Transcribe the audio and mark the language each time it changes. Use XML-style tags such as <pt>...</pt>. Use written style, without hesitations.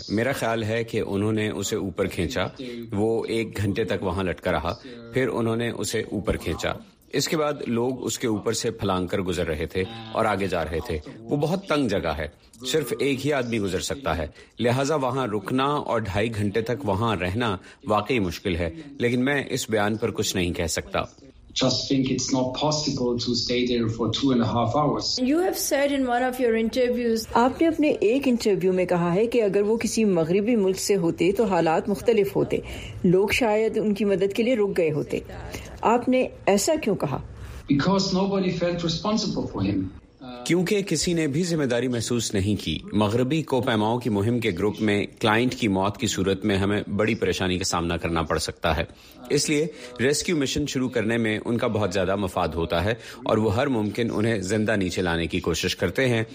<ur>میرا خیال ہے کہ انہوں نے اسے اوپر کھینچا, وہ 1 گھنٹے تک وہاں لٹکا رہا, پھر انہوں نے اسے اوپر کھینچا, اس کے بعد لوگ اس کے اوپر سے پھلانگ کر گزر رہے تھے اور آگے جا رہے تھے. وہ بہت تنگ جگہ ہے, صرف ایک ہی آدمی گزر سکتا ہے, لہٰذا وہاں رکنا اور 2.5 گھنٹے تک وہاں رہنا واقعی مشکل ہے, لیکن میں اس بیان پر کچھ نہیں کہہ سکتا.</ur> <en>Just think it's not possible to stay there for 2.5 hours. You have said in one of your interviews,</en> <ur>آپ نے اپنے ایک انٹرویو میں کہا ہے کہ اگر وہ کسی مغربی ملک سے ہوتے تو حالات مختلف ہوتے, لوگ شاید ان کی مدد کے لیے رک گئے ہوتے. آپ نے ایسا کیوں کہا؟</ur> <en>Because nobody felt responsible for him.</en> <ur>کیونکہ کسی نے بھی ذمہ داری محسوس نہیں کی. مغربی کوپیماؤں کی مہم کے گروپ میں کلائنٹ کی موت کی صورت میں ہمیں بڑی پریشانی کا سامنا کرنا پڑ سکتا ہے, اس لیے ریسکیو مشن شروع کرنے میں ان کا بہت زیادہ مفاد ہوتا ہے اور وہ ہر ممکن انہیں زندہ نیچے لانے کی کوشش کرتے ہیں.</ur>